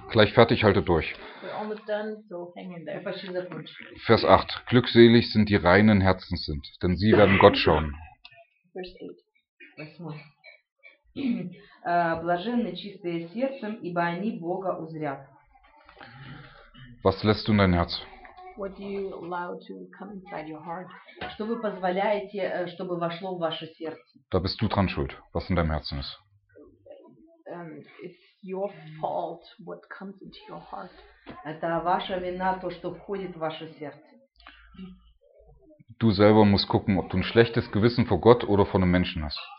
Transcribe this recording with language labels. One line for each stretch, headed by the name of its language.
German: Gleich fertig, haltet durch.
English: We're almost done, so hang in there.
German: Vers 8. Glückselig sind die reinen Herzens sind, denn sie werden Gott schauen. Vers 8.
Russian: Блаженны чистые сердцем, ибо они Бога узрят.
German: Was lässt du in dein Herz?
English: What do you allow to come inside your heart?
Russian: Что вы позволяете, чтобы вошло в ваше сердце?
German: Da bist du dran schuld, was in deinem Herzen ist.
English: It's your fault what comes into your heart.
Russian: Это ваша вина, то, что входит в ваше сердце.
German: Du selber musst gucken, ob du ein schlechtes Gewissen vor Gott oder vor einem Menschen hast.